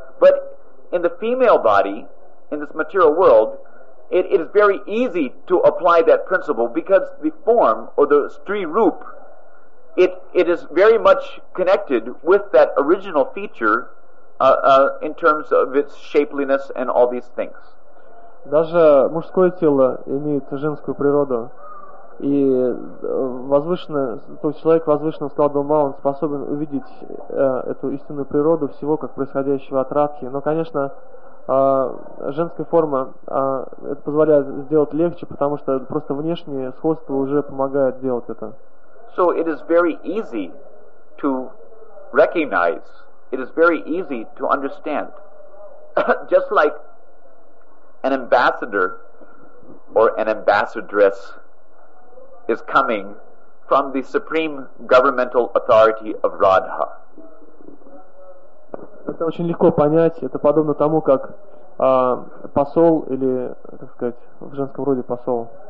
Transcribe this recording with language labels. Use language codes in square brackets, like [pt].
[en] But in the female body, in this material world, it is very easy to apply that principle because the form or the stri rup, it is very much connected with that original feature in terms of its shapeliness and all these things. [ru] Даже мужское тело имеет женскую природу. И возвышенный, то есть человек возвышенного склада ума, он способен увидеть эту истинную природу всего, как происходящего от Радхи. Но, конечно, женская форма это позволяет сделать легче, потому что просто внешнее сходство уже помогает делать это. [en] So it is very easy to recognize, it is very easy to understand. Just like an ambassador or an ambassadress is coming from the supreme governmental authority of Radha. [ru] Это очень легко понять. Это подобно тому, как посол или, так сказать, в женском роде посол.